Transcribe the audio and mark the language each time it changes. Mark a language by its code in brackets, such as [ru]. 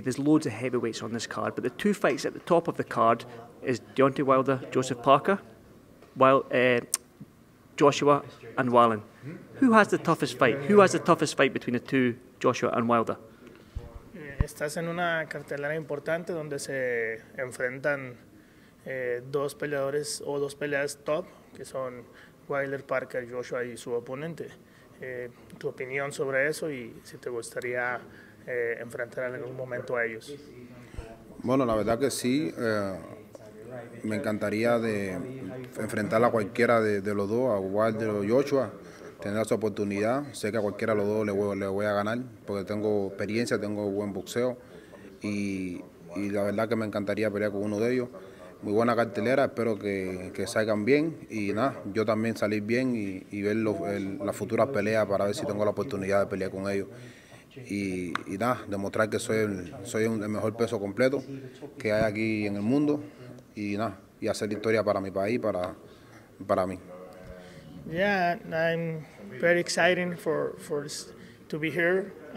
[en] There's loads of heavyweights on this card, but the two fights at the top of the card is Deontay Wilder, Joseph Parker, Joshua and Wallen. Who has the toughest fight? Who has the toughest fight between the two, Joshua and Wilder? [es] Estás en una cartelera importante donde se enfrentan dos peleadores o dos peleas top, que son Wilder, Parker, Joshua y su oponente. ¿Tu opinión sobre eso y si te gustaría enfrentar en algún momento a ellos? Bueno, la verdad que sí. Me encantaría de enfrentar a cualquiera de los dos, a Wilder o Joshua, tener esa oportunidad. Sé que a cualquiera de los dos le voy a ganar, porque tengo experiencia, tengo buen boxeo y la verdad que me encantaría pelear con uno de ellos. Muy buena cartelera, espero que salgan bien y nada, yo también salir bien y ver las futuras peleas para ver si tengo la oportunidad de pelear con ellos. Y nada, demostrar que soy el mejor peso completo que hay aquí en el mundo. Y nada, y hacer historia para mi país, para mí. [en] Yeah, I'm very excited for to be here.